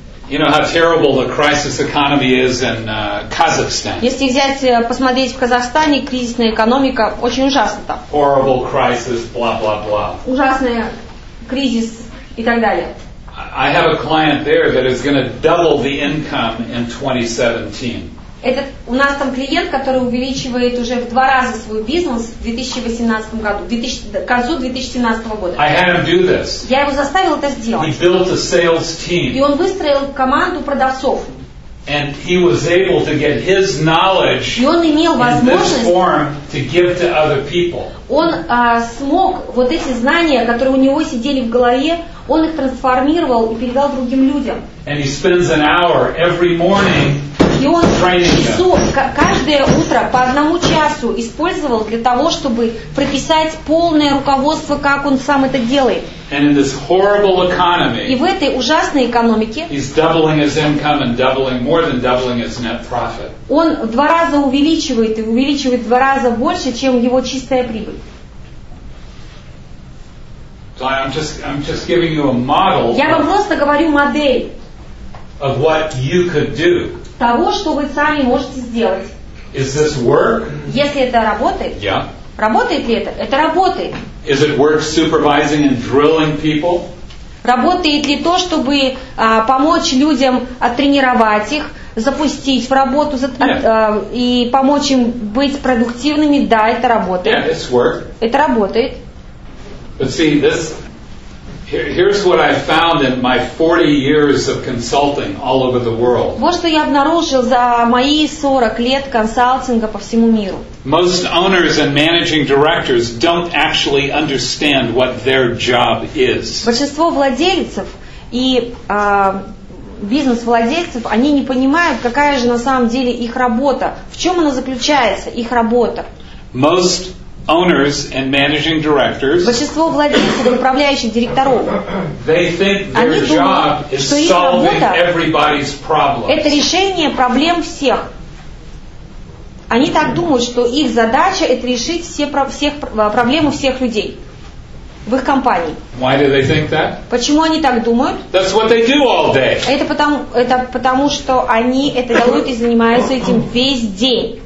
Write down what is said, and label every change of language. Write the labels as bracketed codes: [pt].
[en] You know how terrible the crisis economy is in Kazakhstan. [ru] Если взять посмотреть в Казахстане, кризисная экономика очень ужасна там. [en] Horrible crisis, blah blah blah. [ru] Ужасная кризис и так далее. [en] I have a client there that is going to double the income in 2017. [ru] Это у нас там клиент, который увеличивает уже в два раза свой бизнес в 2018 году, к концу 2017 года. [en] I had him do this. [ru] Я его заставил это сделать. [en] He built a sales team. [ru] И он выстроил команду продавцов. [en] And he was able to get his knowledge in this form to give to other people. [ru] Он смог вот эти знания, которые у него сидели в голове, он их трансформировал и передал другим людям. [en] And he spends an hour every morning training them. [ru] И он каждое утро по одному часу использовал для того, чтобы прописать полное руководство, как он сам это делает. [en] And in this horrible economy, [ru] и в этой ужасной экономике, [en] he's doubling his income and doubling more than doubling his net profit. [ru] Он в два раза увеличивает и увеличивает в два раза больше, чем его чистая прибыль. [en] So I'm just giving you a model. [ru] Я вам просто говорю модель. [en] Of what you could do. [ru] Того, что вы сами можете сделать. [en] Is this work? [ru] Если это работает. [en] Yeah. [ru] Работает ли это? Это работает. [en] Is it work supervising and drilling people? [ru] Работает ли то, чтобы помочь людям оттренировать их, запустить в работу и помочь им быть продуктивными? Да, это работает. [en] Yeah, it's work. [ru] Это работает. [en] But see, this, here's what I found in my 40 years of consulting all over the world. [ru] Вот что я обнаружил за мои 40 лет консалтинга по всему миру. [en] Most owners and managing directors don't actually understand what their job is. [ru] Большинство владельцев и бизнес-владельцев, они не понимают, какая же на самом деле их работа, в чем она заключается, их работа. [en] Most owners and managing directors. [ru] Большинство владельцев и управляющих директоров. [en] They think their job is solving everybody's problems. [ru] Это решение проблем всех. Они так думают, что их задача это решить всех проблемы всех людей в их компании. [en] Why do they think that? [ru] Почему они так думают? [en] That's what they do all day. [ru] Это потому, что они это делают и занимаются этим весь день.